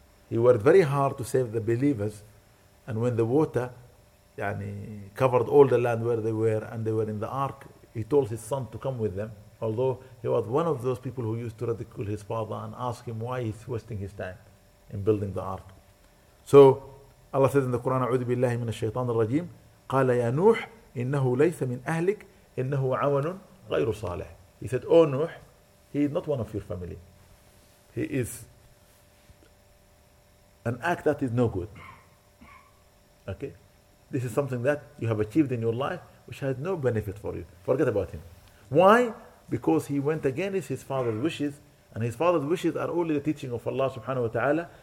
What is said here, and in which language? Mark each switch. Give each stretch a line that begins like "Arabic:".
English: He worked very hard to save the believers, and when the water covered all the land where they were, and they were in the ark, he told his son to come with them, although he was one of those people who used to ridicule his father and ask him why he's wasting his time in building the ark. So Allah says in the Quran,
Arabic: أعوذ بالله من الشيطان الرجيم قال يا نوح إنه ليس من أهلك إنه عمل غير صالح.
English: He said, O Nuh, he is not one of your family. He is an act that is no good. Okay? This is something that you have achieved in your life which has no benefit for you. Forget about him. Why? Because he went against his father's wishes, and his father's wishes are only the teaching of Allah subhanahu wa ta'ala.